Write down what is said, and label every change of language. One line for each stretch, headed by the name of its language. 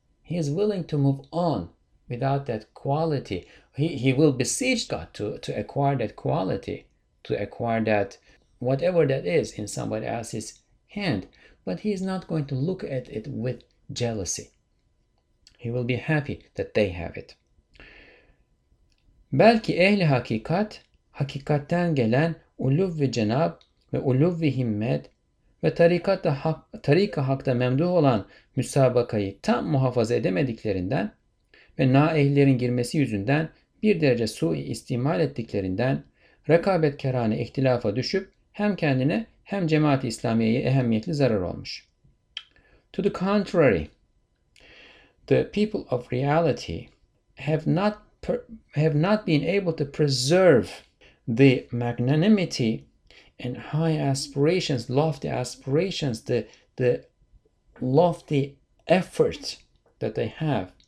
English: He is willing to move on without that quality. He will beseech God to acquire that quality, to acquire that whatever that is in somebody else's hand. But he is not going to look at it with jealousy. He will be happy that they have it.
Turkish: Belki ehli hakikat, hakikatten gelen uluv-i cenab ve uluv-i himmet ve tarika hakta memduh olan müsabakayı tam muhafaza edemediklerinden ve naehlilerin girmesi yüzünden bir derece sui istimal ettiklerinden rekabetkarane ihtilafa düşüp hem kendine hem cemaat-i İslamiye'ye ehemmiyetli zarar olmuş.
English: To the contrary, the people of reality have not been able to preserve the magnanimity and high aspirations, lofty aspirations, the lofty effort that they have.